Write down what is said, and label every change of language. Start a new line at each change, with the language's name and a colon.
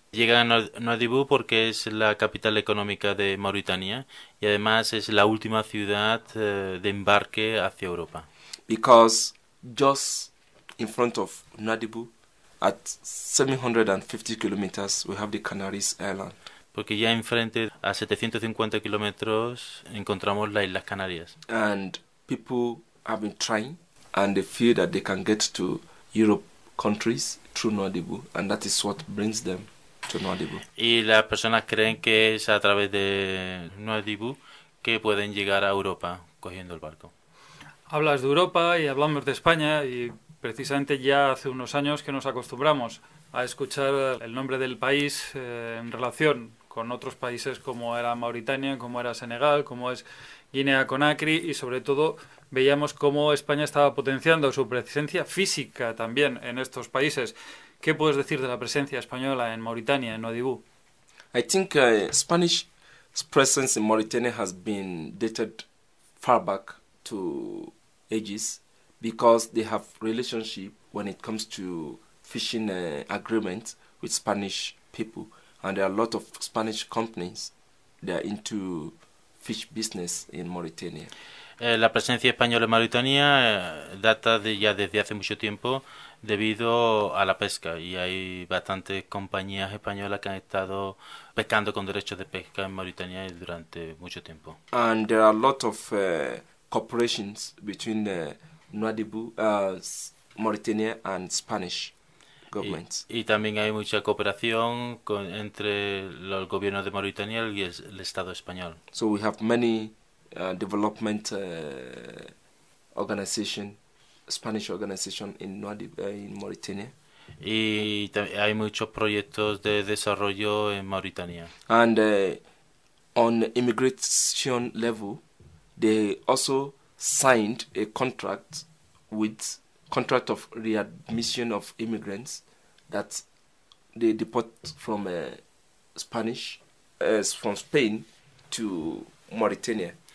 Spanish: Llegan a Nouadhibou porque es la capital económica de Mauritania y además es la última ciudad de embarque hacia Europa.
English: Because just in front of Nouadhibou, at 750 kilometers, we have the Canaries Island.
Spanish: Porque ya enfrente, a 750 kilómetros, encontramos las Islas Canarias.
English: And people have been trying, and they feel that they can get to Europe countries through Nouadhibou, and that is what brings them Chernobyl.
Spanish: Y las personas creen que es a través de Nuadhibu que pueden llegar a Europa cogiendo el barco. Hablas de Europa y hablamos de España, y precisamente ya hace unos años que nos acostumbramos a escuchar el nombre del país en relación con otros países como era Mauritania, como era Senegal, como es Guinea-Conakry, y sobre todo veíamos cómo España estaba potenciando su presencia física también en estos países. ¿Qué puedes decir de la presencia española en Mauritania, en Nuadhibu?
English: I think Spanish presence in Mauritania has been dated far back to ages because they have relationship when it comes to fishing agreement with Spanish people, and there are a lot of Spanish companies that are into fish business in Mauritania.
Spanish: La presencia española en Mauritania data de ya desde hace mucho tiempo debido a la pesca, y hay bastantes compañías españolas que han estado pescando con derechos de pesca en Mauritania durante mucho tiempo.
English: And there are a lot of cooperations between the Nuadhibu, Mauritania and Spanish governments.
Spanish: Y también hay mucha cooperación entre el gobierno de Mauritania y el Estado español.
English: So we have many development organization, Spanish organization in Nuadhibu, in Mauritania.
Spanish: Y hay muchos proyectos de desarrollo en Mauritania.
English: And on immigration level, they also signed a contract with contract of readmission of immigrants that they deport from Spanish from Spain to Mauritania.